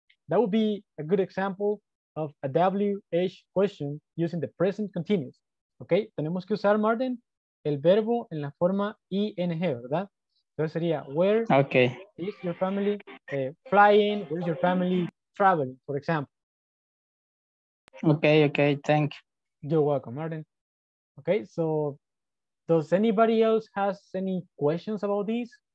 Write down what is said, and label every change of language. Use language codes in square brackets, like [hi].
[en] That would be a good example of a WH question using the present continuous. [es] Okay, tenemos que usar, Martin, el verbo en la forma ing, ¿verdad? Entonces sería, where [en] okay. is your family flying, where is your family traveling, for example. Okay, thank you. You're welcome, Martin. Okay, so does anybody else has any questions about this?